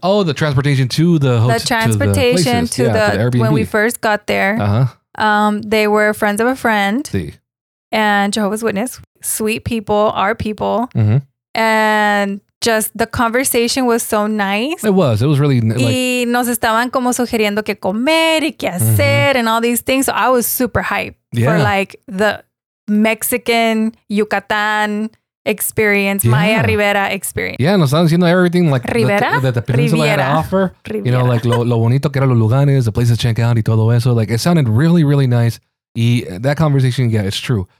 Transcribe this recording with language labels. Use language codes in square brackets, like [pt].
[en] Oh, the transportation to the hotel. The transportation to the places. To the Airbnb. When we first got there. Uh-huh. They were friends of a friend. See. And Jehovah's Witness. Sweet people, our people. Mm-hmm. And just the conversation was so nice. It was really [es] like, y nos estaban como sugiriendo qué comer y qué hacer [en] and all these things. So I was super hyped for like the Mexican Yucatan experience, Maya Rivera experience. [es] Yeah, nos estaban diciendo [en] everything like Rivera? The peninsula Riviera. Had to offer. Riviera. You know, like [es] lo bonito que eran los lugares, [en] the places to check out [es] y todo eso. [en] Like it sounded really, really nice. Y that conversation, yeah, it's true.